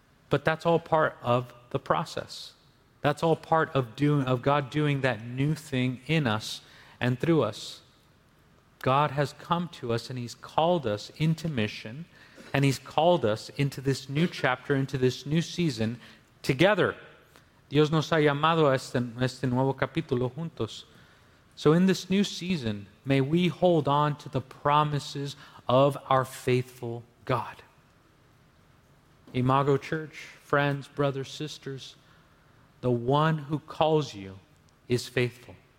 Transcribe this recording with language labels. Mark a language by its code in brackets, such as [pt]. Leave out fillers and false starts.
[en] But that's all part of the process. That's all part of God doing that new thing in us and through us. God has come to us and he's called us into mission, and he's called us into this new chapter, into this new season together. [es] Dios nos ha llamado a este nuevo capítulo juntos. [en] So in this new season, may we hold on to the promises of our faithful God. Imago Church, friends, brothers, sisters, the one who calls you is faithful.